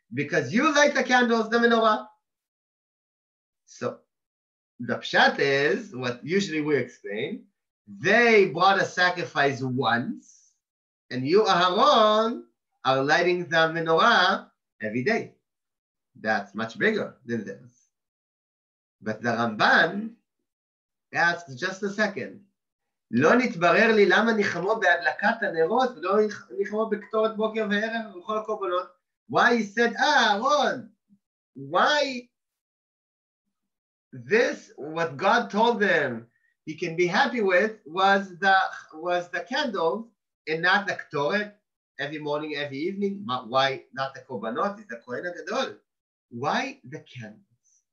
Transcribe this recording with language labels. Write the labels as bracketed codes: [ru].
[en] Because you light the candles, the menorah. So the pshat is, what usually we explain, they brought a sacrifice once, and you, Aharon, are lighting the menorah every day. That's much bigger than theirs. But the Ramban asks, just a second, [he] לא נתברר לי למה נחמו בהדלקת הנרות ולא נחמו בכתורת בוקר וערב ובכל הקורבנות. [en] Why he said, Aaron, why this, what God told them he can be happy with was the candles and not the ktoret every morning, every evening. Why not the korbanot? It's the Kohen HaGadol. Why the candles?